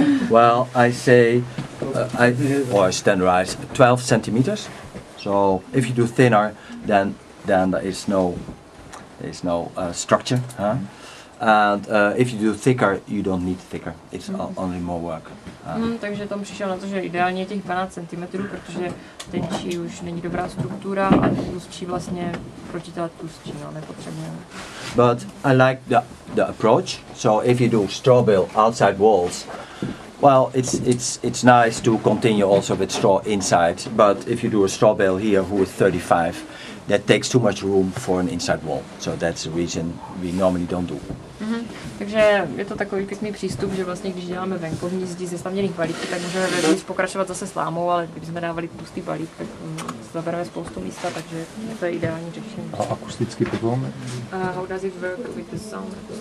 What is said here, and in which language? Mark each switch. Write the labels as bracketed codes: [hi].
[en] Well, I say, I standardize 12 centimeters. So if you do thinner, then there is no structure. Huh? And if you do thicker, you don't need thicker. It's only more work. [cs] Takže Tom přišel na to, že ideálně je těch 12 cm, protože tenčí už není dobrá struktura a tlustší vlastně proti té tlustší, no, nepotřebujeme. [en] But I like the approach. So if you do straw bale outside walls, well, it's nice to continue also with straw inside. But if you do a straw bale here who is 35, that takes too much room for an inside wall. So that's the reason we normally don't do. Mm-hmm. [cs] Takže je to takový pěkný přístup, že vlastně když děláme venkovní zdi ze slaměných balíků, tak můžeme pokračovat zase slámou, ale když jsme dávali pustý balík, tak zabereme spoustu místa, takže to je ideální řešení. A akusticky potom? [en] How does it work with the sound?